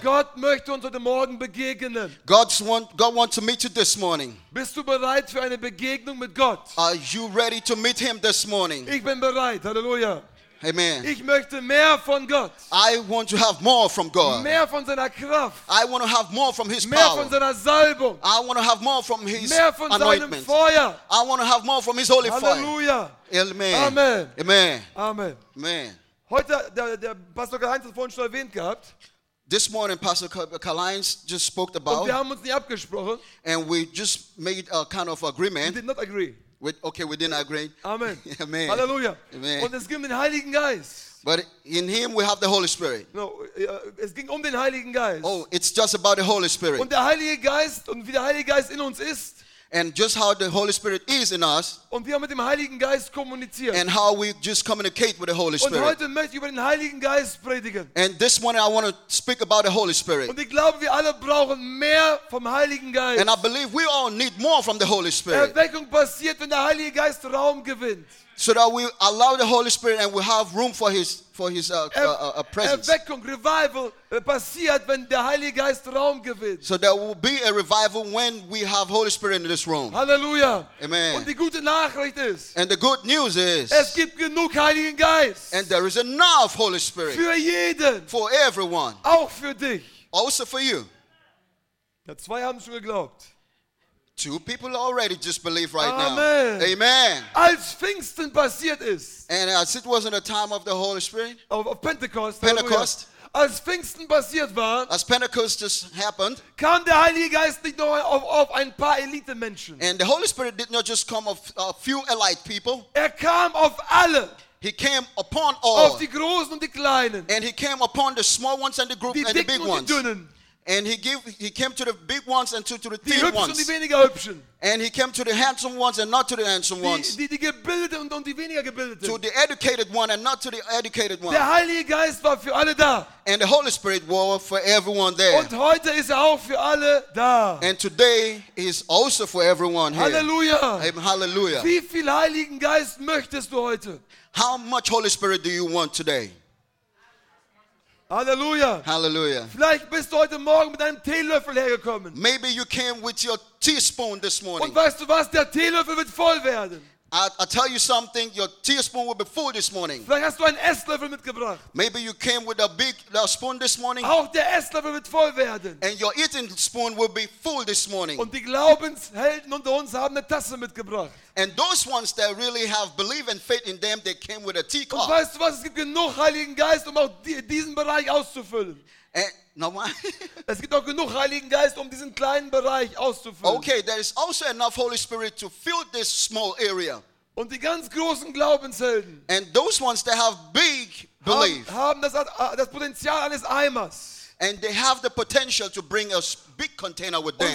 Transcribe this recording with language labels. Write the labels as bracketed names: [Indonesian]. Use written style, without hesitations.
[German] Gott möchte uns heute Morgen begegnen. [English] God wants to meet you this morning. [German] Bist du bereit für eine Begegnung mit Gott? [English] Are you ready to meet him this morning? [German] Ich bin bereit. Hallelujah. Amen. Ich möchte mehr von Gott. [English] I want to have more from God. [German] Mehr von seiner Kraft. [English] I want to have more from his [German] mehr [English] power. [German] Von seiner Salbung. [English] I want to have more from his [German] mehr von [English] anointment. [German] Feuer. [English] I want to have more from his holy Halleluja. Fire. Amen. Amen. Amen. Amen. Amen. [German] Heute, der Pastor Karl-Heinz hat vorhin schon erwähnt gehabt. [English] This morning, Pastor Karl-Heinz just spoke about. [German] Und wir haben uns nicht abgesprochen. [English] And we just made a kind of agreement. We did not agree. We didn't agree. Amen. Amen. Hallelujah. Amen. [German] Und es ging um den Heiligen Geist. [English] But in him we have the Holy Spirit. [German] No, es ging um den Heiligen Geist. [English] Oh, it's just about the Holy Spirit. [German] Und der Heilige Geist, und wie der Heilige Geist in uns ist. [English] And just how the Holy Spirit is in us. [German] Und wie wir mit dem Heiligen Geist kommunizieren. [English] And how we just communicate with the Holy Spirit. [German] Und heute möchte ich über den Heiligen Geist predigen. [English] And this morning I want to speak about the Holy Spirit. [German] Und ich glaube, wir alle brauchen mehr vom Heiligen Geist. [English] And I believe we all need more from the Holy Spirit. [German] Erweckung passiert, wenn der Heilige Geist Raum gewinnt. [English] So that we allow the Holy Spirit and we have room for his presence. [German] Erweckung, revival passiert, wenn der Heilige Geist Raum gewinnt. [English] So there will be a revival when we have Holy Spirit in this room. Hallelujah. Amen. [German] Und die gute Nachricht ist. [English] And the good news is. [German] Es gibt genug Heiligen Geist. [English] And there is enough Holy Spirit. [German] Für jeden. [English] For everyone. [German] Auch für dich. [English] Also for you. [German] Ja, zwei haben schon geglaubt. [English] Two people already just believe right Amen. Now. Amen. [German] Als Pfingsten passiert ist. [English] And as it wasn't a time of the Holy Spirit. Of Pentecost. Pentecost. [German] Als Pfingsten passiert war. [English] As Pentecost just happened. [German] Kam der Heilige Geist nicht nur auf ein paar elite Menschen. [English] And the Holy Spirit did not just come of a few elite people. [German] Er kam auf alle. [English] He came upon all. [German] Auf die Großen und die Kleinen. [English] And he came upon the small ones and the group [German] die [English] and the big ones. [German] Die Dicken und die Dünnen. [English] And he came to the big ones and to the thin ones. [German] Die weniger hübschen. [English] And he came to the handsome ones and not to the handsome ones. [German] Die gebildeten und die weniger gebildeten. [English] To the educated one and not to the educated one. [German] Der Heilige Geist war für alle da. [English] And the Holy Spirit was for everyone there. [German] Und heute ist auch für alle da. [English] And today is also for everyone here. Hallelujah. Hallelujah. [German] Wie viel Heiligen Geist möchtest du heute? [English] How much Holy Spirit do you want today? Hallelujah. Hallelujah. [German] Vielleicht bist du heute Morgen mit einem Teelöffel hergekommen. [English] Maybe you came with your teaspoon this morning. [German] Und weißt du was? Der Teelöffel wird voll werden. [English] I tell you something. Your teaspoon will be full this morning. [German] Vielleicht hast du einen Esslöffel mitgebracht. [English] Maybe you came with a big spoon this morning. [German] Auch der Esslöffel wird voll werden. [English] And your eating spoon will be full this morning. [German] Und die Glaubenshelden unter uns haben eine Tasse mitgebracht. [English] And those ones that really have belief and faith in them, they came with a teacup. [German] Und weißt du was? Es gibt genug Heiligen Geist, um auch diesen Bereich auszufüllen. Nochmal. Es gibt auch genug Heiligen Geist, um diesen kleinen Bereich auszufüllen. [English] Okay, there is also enough Holy Spirit to fill this small area. [German] Und die ganz großen Glaubenshelden. [English] And those ones that have big belief. [German] Haben das Potenzial eines Eimers. [English] And they have the potential to bring a big container with them.